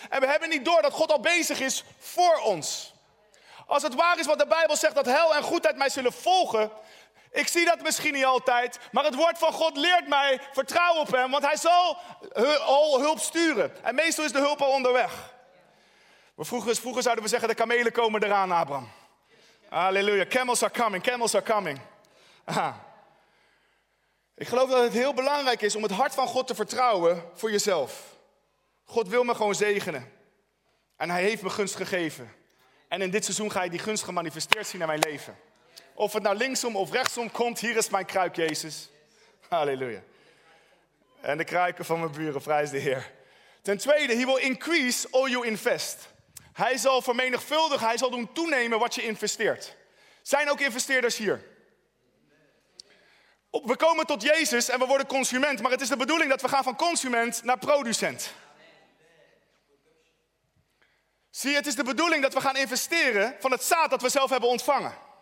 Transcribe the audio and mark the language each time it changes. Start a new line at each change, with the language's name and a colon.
Dutch: En we hebben niet door dat God al bezig is voor ons. Als het waar is wat de Bijbel zegt, dat hel en goedheid mij zullen volgen. Ik zie dat misschien niet altijd, maar het woord van God leert mij vertrouw op hem. Want hij zal al hulp sturen. En meestal is de hulp al onderweg. Vroeger zouden we zeggen, de kamelen komen eraan, Abraham.
English: Halleluja, camels are coming, camels are coming. Aha.
Dutch: Ik geloof dat het heel belangrijk is om het hart van God te vertrouwen voor jezelf. God wil me gewoon zegenen. En hij heeft me gunst gegeven. En in dit seizoen ga je die gunst gemanifesteerd zien in mijn leven. Of het nou linksom of rechtsom komt, hier is mijn kruik, Jezus. Halleluja. En de kruiken van mijn buren, prijs de Heer. Ten tweede,
English: He will increase all you invest.
Dutch: Hij zal vermenigvuldigen, hij zal doen toenemen wat je investeert. Zijn ook investeerders hier? We komen tot Jezus en we worden consument, maar het is de bedoeling dat we gaan van consument naar producent. Zie, het is de bedoeling dat we gaan investeren van het zaad dat we zelf hebben ontvangen.